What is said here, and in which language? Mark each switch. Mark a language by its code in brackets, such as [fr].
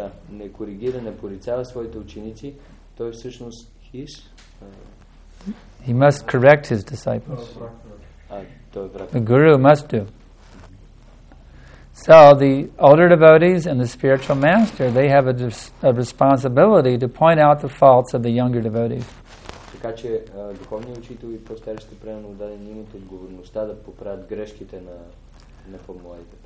[bg] Не коригира, не порицава своите ученици, той всъщност [en] his. He must correct his disciples. [bg] Той е враг. [en] The guru must do. So the older devotees and the spiritual master, they have a responsibility to point out the faults of the younger devotees. [bg] Така че духовният учител и по-старите преданно отдадени имат отговорността да поправят грешките на по-младите.